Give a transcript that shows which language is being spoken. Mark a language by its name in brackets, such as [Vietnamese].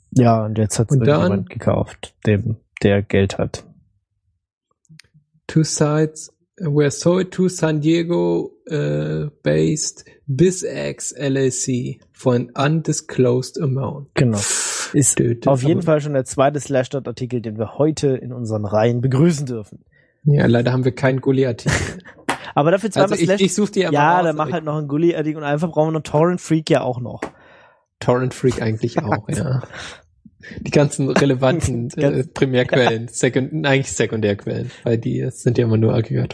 [German] Ja, und jetzt hat's irgendjemand gekauft, der Geld hat. [English] Two Sides were sold to San Diego based BizX LLC for an undisclosed amount. [German] Genau. Ist auf jeden Fall schon der zweite Slashdot-Artikel, den wir heute in unseren Reihen begrüßen dürfen. Ja, leider haben wir keinen Gulli-Artikel. Aber dafür zweimal also Slashdot. Ich such dir ja mal aus, dann mach halt noch einen Gulli-Artikel und einfach brauchen wir noch Torrent Freak ja auch noch. Torrent Freak eigentlich auch, ja. Die ganzen relevanten Primärquellen, Sekundärquellen, weil die sind ja immer nur aggregiert.